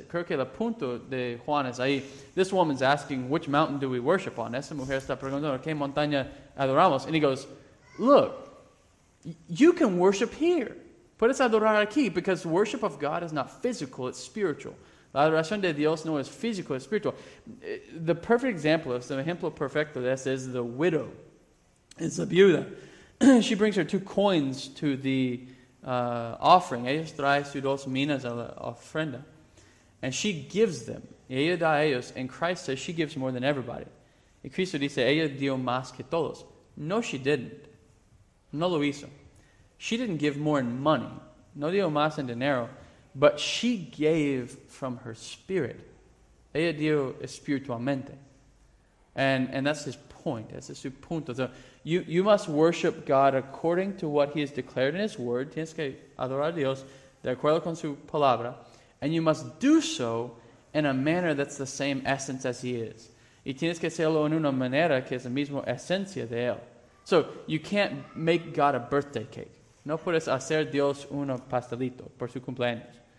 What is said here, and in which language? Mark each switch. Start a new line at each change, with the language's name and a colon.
Spanish: Creo que el punto de Juan es ahí.
English: This woman's asking, which mountain do we worship on?
Spanish: Esa mujer está preguntando, ¿qué montaña adoramos?
English: And he goes, look, you can worship here.
Spanish: Puedes adorar aquí,
English: because worship of God is not physical, it's spiritual.
Spanish: La adoración de Dios no es físico, es espiritual.
English: The perfect example,
Spanish: el ejemplo perfecto de eso es
English: the widow. It's a viuda. She brings her 2 coins to the offering.
Spanish: Ella trae sus 2 minas a la ofrenda.
English: And she gives them.
Spanish: Ella da a ellos.
English: And Christ says she gives more than everybody.
Spanish: Y Cristo dice, ella dio más que todos.
English: No, she didn't.
Spanish: No lo hizo.
English: She didn't give more in money,
Spanish: no dio más en dinero,
English: but she gave from her spirit.
Spanish: Ella dio espiritualmente.
English: And that's his point,
Spanish: ese es su punto.
English: So you must worship God according to what he has declared in his word.
Spanish: Tienes que adorar a Dios de acuerdo con su palabra.
English: And you must do so in a manner that's the same essence as he is.
Spanish: Y tienes que hacerlo en una manera que es la misma esencia de él.
English: So you can't make God a birthday cake.
Spanish: No puedes hacer Dios un pastelito por su cumpleaños.